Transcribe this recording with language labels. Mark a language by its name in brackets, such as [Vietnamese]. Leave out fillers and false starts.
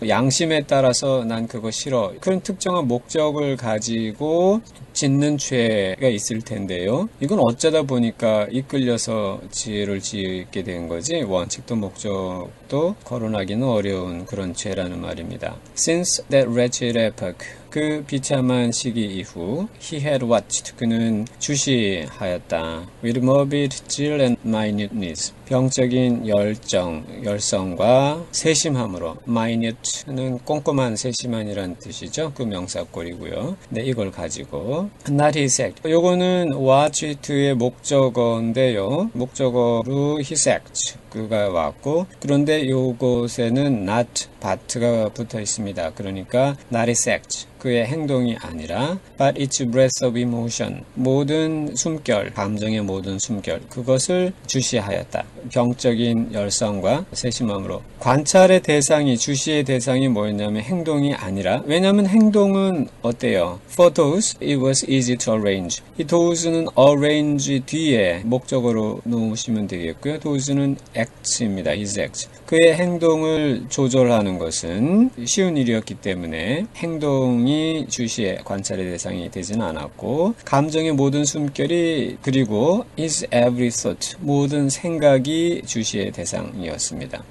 [Korean] 양심에 따라서 난 그거 싫어. 그런 특정한 목적을 가지고 짓는 죄가 있을 텐데요. 이건 어쩌다 보니까 이끌려서 죄를 짓게 된 거지 원칙도 목적도 거론하기는 어려운 그런 죄라는 말입니다. [English] Since that wretched epoch, [Korean] 그 비참한 시기 이후 [English] He had watched, [Korean] 그는 주시하였다. [English] With morbid zeal and minuteness, [Korean] 병적인 열정, 열성과 세심함으로 minute는 꼼꼼한 세심한이란 뜻이죠. 그 명사골이고요. 네, 이걸 가지고 [English] Not his act. [Korean] 요거는 watch it의 목적어인데요. 목적어로 his act. 그가 왔고 그런데 요것에는 not but가 붙어 있습니다. 그러니까 [English] not his act. [Korean] 그의 행동이 아니라 [English] but its breath of emotion. [Korean] 모든 숨결, 감정의 모든 숨결. 그것을 주시하였다. 병적인 열성과 세심함으로. 관찰의 대상이, 주시의 대상이 뭐였냐면 행동이 아니라 왜냐면 행동은 어때요? [English] For those, it was easy to arrange. [Korean] 이 those는 arrange 뒤에 목적으로 놓으시면 되겠고요. those는 act입니다. [English] his act. [Korean] 그의 행동을 조절하는 것은 쉬운 일이었기 때문에 행동이 주시의 관찰의 대상이 되진 않았고 감정의 모든 숨결이 그리고 [English] his every thought [Korean] 모든 생각이 주시의 대상이었습니다.